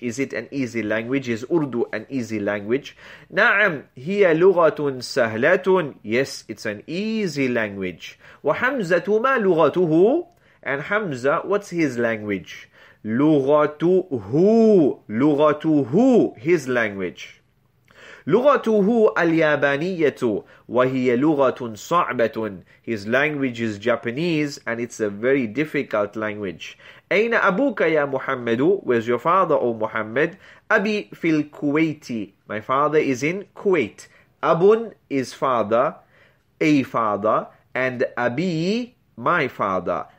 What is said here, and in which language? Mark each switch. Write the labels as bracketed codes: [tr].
[en] Is it an easy language? Is Urdu an easy language? [ar] Na'am, hiya lughatun sahlatun. [en] Yes, it's an easy language. [ar] Wa hamzatu ma lughatuhu? [en] And Hamza, what's his language? [ar] Lughatuhu, lughatuhu, [en] his language. [ar] لغته اليابانية وهي لغة صعبة. [en] His language is Japanese and it's a very difficult language. [ar] أين أبوك يا محمد؟ [en] Where's your father, O Muhammad? [ar] أبي في الكويت. [en] My father is in Kuwait. أبٌ is father, a father, and أبي my father.